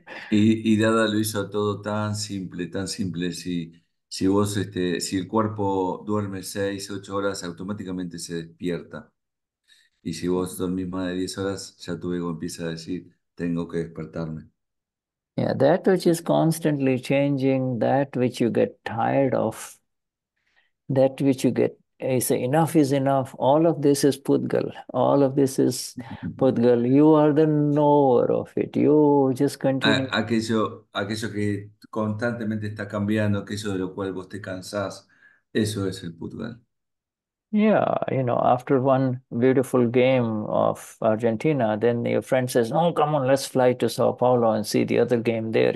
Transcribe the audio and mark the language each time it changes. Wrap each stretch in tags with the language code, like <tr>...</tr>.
<es>y Dada lo hizo todo tan simple, si vos si el cuerpo duerme 6, 8 horas, automáticamente se despierta. Y si vos dormís más de 10 horas, ya tu ego empieza a decir, tengo que despertarme.</es> <en>Yeah, that which is constantly changing, that which you get tired of, that which you get, I say, enough is enough. All of this is Pudgal. All of this is Pudgal. You are the knower of it. You just continue.</en> <es>Aquello que constantemente está cambiando, aquello de lo cual vos te cansás, eso es el Pudgal.</es> <en>Yeah, you know, after one beautiful game of Argentina, then your friend says, oh, come on, let's fly to Sao Paulo and see the other game there.</en>